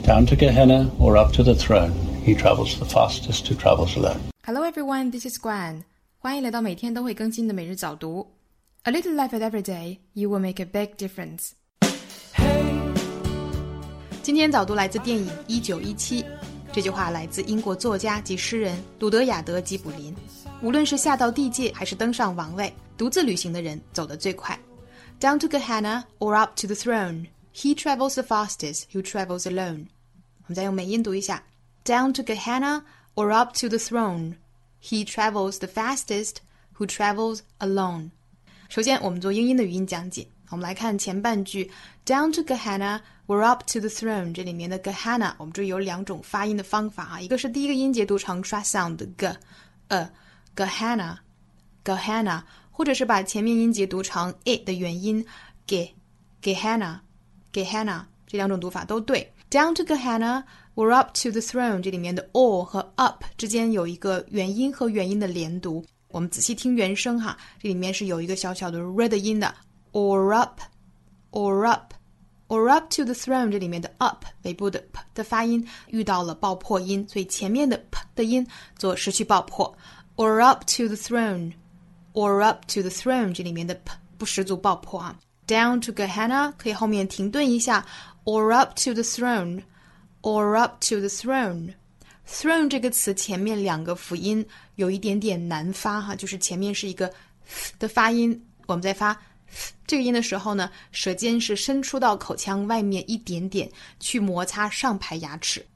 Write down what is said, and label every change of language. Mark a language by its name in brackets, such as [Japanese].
[English] Down to Gehenna or up to the throne, he travels the fastest who travels alone. Hello everyone, this is Gwen. [Chinese] 欢迎来到每天都会更新的每日早读。 [English] A little life at every day, you will make a big difference. Hey, [Chinese] 今天早读来自电影1917。这句话来自英国作家及诗人鲁德雅德·吉卜林。无论是下到地界还是登上王位，独自旅行的人走得最快。 [English] Down to Gehenna or up to the throne, he travels the fastest who travels alone. [Chinese] 我们再用美音读一下。 [English] Down to Gehenna or up to the throne, he travels the fastest who travels alone. [Chinese] 首先我们做英音的语音讲解。我们来看前半句 [English] Down to Gehenna or up to the throne, [Chinese] 这里面的 Gehenna, 我们注意有两种发音的方法、啊、一个是第一个音节读成 tra sound 的 g, Gehenna, Gehenna,或者是把前面音节读成 i 的元音 Gehenna, Gehenna, 这两种读法都对。 [English] Down to Gehenna, or up to the throne, [Chinese] 这里面的 or 和 up 之间有一个元音和元音的连读。我们仔细听原声哈，这里面是有一个小小的 r 的音的。 [English] Or up, or up, or up to the throne, [Chinese] 这里面的 up, 尾部的 p 的发音遇到了爆破音，所以前面的 p 的音做失去爆破。 [English] Or up to the throne,Or up to the throne, [Chinese] 这里面的 p 不十足爆破啊。 [English] Down to Gehenna, [Chinese] 可以后面停顿一下。 [English] Or up to the throne, or up to the throne. [Chinese] Throne 这个词前面两个辅音有一点点难发哈，就是前面是一个 f 的发音，我们在发 f 这个音的时候呢，舌尖是伸出到口腔外面一点点去摩擦上排牙齿。